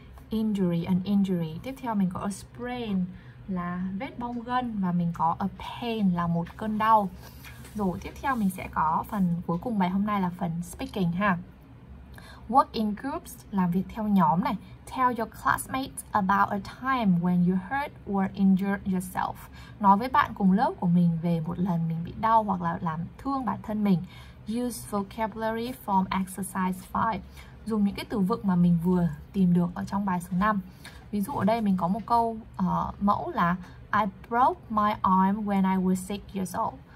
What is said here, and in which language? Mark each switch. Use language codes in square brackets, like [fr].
[en] Injury, an injury. [vi] Tiếp theo mình có a sprain là vết bong gân, và mình có a pain là một cơn đau. Rồi tiếp theo mình sẽ có phần cuối cùng bài hôm nay là phần speaking ha. [en] Work in groups, [vi] làm việc theo nhóm này. [en] Tell your classmates about a time when you hurt or injured yourself. [vi] Nói với bạn cùng lớp của mình về một lần mình bị đau hoặc là làm thương bản thân mình. [en] Use vocabulary from exercise 5. [vi] Dùng những cái từ vựng mà mình vừa tìm được ở trong bài số 5. Ví dụ ở đây mình có một câu mẫu là [en] I broke my arm when I was 6 years old.